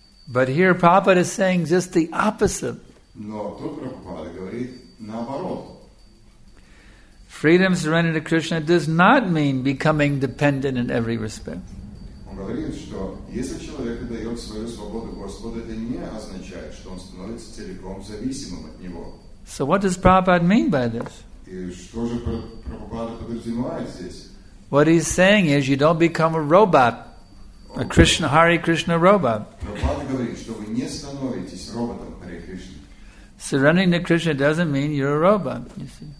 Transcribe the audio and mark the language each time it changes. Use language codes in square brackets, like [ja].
[en] But here Prabhupada is saying just the opposite. [ru] Но тут Прабхупада говорит наоборот. [en] Freedom surrendered to Krishna does not mean becoming dependent in every respect. [ru] Он говорит, что если человек отдает свою свободу Господу, это не означает, что он становится целиком зависимым от него. [en] So what does Prabhupada mean by this? [ru] И что же Прабхупада подразумевает здесь? [en] What he's saying is you don't become a robot. A Krishna, Hare Krishna robot. [ru] Prabhupada говорит, что вы не становитесь роботом, Hare Krishna. [en] Surrendering to Krishna doesn't mean you're a robot, you see.